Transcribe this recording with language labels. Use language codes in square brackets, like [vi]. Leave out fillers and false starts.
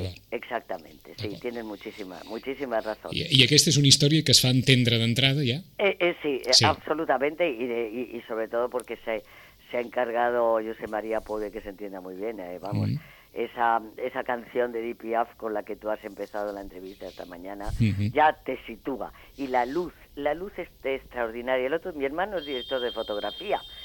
[es] Exactamente, sí, tienes muchísima razón. [ca] I aquesta és una història que es fa entendre d'entrada ja? [es] Sí, absolutamente, y sobre todo porque se ha encargado José María Pobre que se entienda muy bien, vamos. Esa canción de Edith Piaf con la que tú has empezado la entrevista esta mañana ya te sitúa. Y la luz es extraordinaria. Mi hermano es director de fotografía.